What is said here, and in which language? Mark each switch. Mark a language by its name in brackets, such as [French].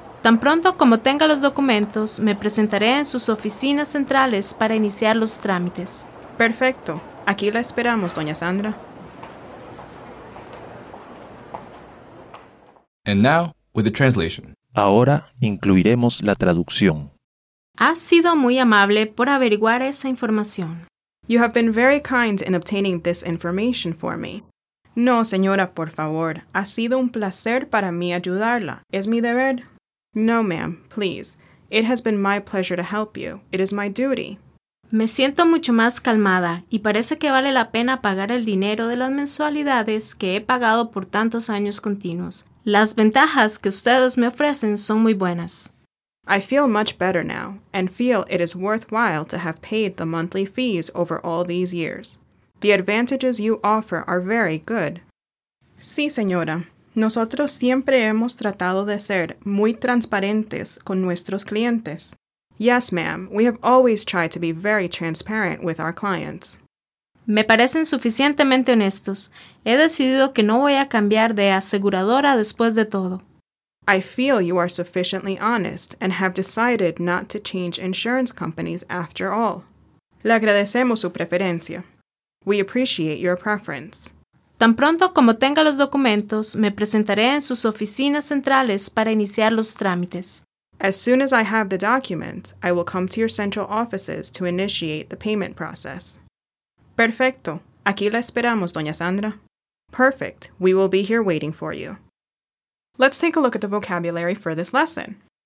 [Spanish] Tan pronto como tenga los documentos, me presentaré en sus oficinas centrales para iniciar los trámites. Perfecto. Aquí la esperamos, doña Sandra. [English] And now, with the translation. [Spanish] Ahora incluiremos la traducción. Ha sido muy amable por averiguar esa información. [English] You have been very kind in obtaining this information for me. [Spanish] No, señora, por favor. Ha sido un placer para mí ayudarla. Es mi deber. [English] No, ma'am, please. It has been my pleasure to help you. It is my duty. [Spanish] Me siento mucho más calmada y parece que vale la pena pagar el dinero de las mensualidades que he pagado por tantos años continuos. Las ventajas que ustedes me ofrecen son muy buenas. [English] I feel much better now and feel it is worthwhile to have paid the monthly fees over all these years. The advantages you offer are very good. [Spanish] Sí, señora. Nosotros siempre hemos tratado de ser muy transparentes con nuestros clientes. [English] Yes, ma'am. We have always tried to be very transparent with our clients. [Spanish] Me parecen suficientemente honestos. He decidido que no voy a cambiar de aseguradora después de todo. [English] I feel you are sufficiently honest and have decided not to change insurance companies after all. [Spanish] Le agradecemos su preferencia. [English] We appreciate your preference. [Spanish] Tan pronto como tenga los documentos, me presentaré en sus oficinas centrales para iniciar los trámites. [English] As soon as I have the documents, I will come to your central offices to initiate the payment process. [Spanish] Perfecto. Aquí la esperamos, doña Sandra. [English] Perfect. We will be here waiting for you. Let's take a look at the vocabulary for this lesson.